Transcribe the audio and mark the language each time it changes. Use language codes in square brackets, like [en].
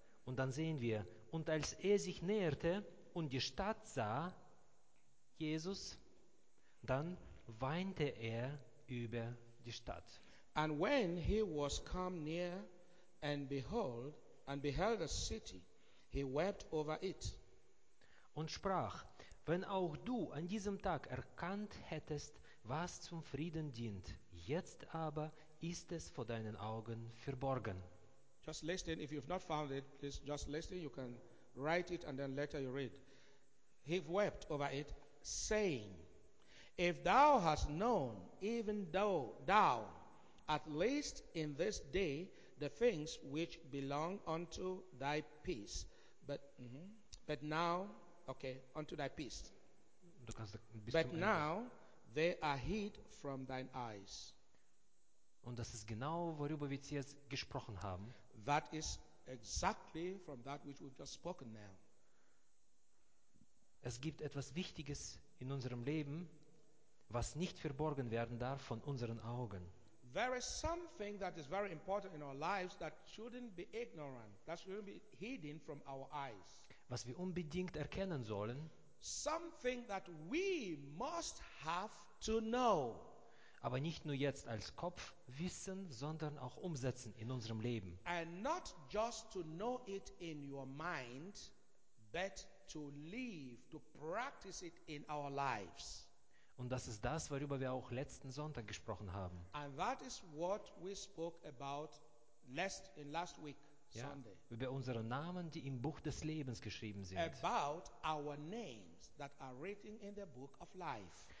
[de] Und dann sehen wir, und als er sich näherte und die Stadt sah, Jesus, dann weinte er über die Stadt. [en] And when he was come near and beheld the city, he wept over it. [de] Und sprach, wenn auch du an diesem Tag erkannt hättest, was zum Frieden dient, jetzt aber ist es vor deinen Augen verborgen. [en] Just listen, if you've not found it, please just listen, you can write it and then later you read. He wept over it, saying, if thou hast known, even though thou, at least in this day, the things which belong unto thy peace, but now they are hid from thine eyes. [de] Und das ist genau, worüber wir jetzt gesprochen haben. [en] That is exactly from that which we've just spoken now. [de] Es gibt etwas Wichtiges in unserem Leben, was nicht verborgen werden darf von unseren Augen. [en] There is something that is very important in our lives that shouldn't be ignorant, that shouldn't be hidden from our eyes. [de] Was wir unbedingt erkennen sollen. [en] Something that we must have to know. [de] Aber nicht nur jetzt als Kopf wissen, sondern auch umsetzen in unserem Leben. [en] And not just to know it in your mind, but to live, to practice it in our lives. [de] Und das ist das, worüber wir auch letzten Sonntag gesprochen haben. [en] And that is what we spoke about last week, [de] ja, [en] Sunday. [de] Über unsere Namen, die im Buch des Lebens geschrieben sind. [en] About our names that are written in the book of life.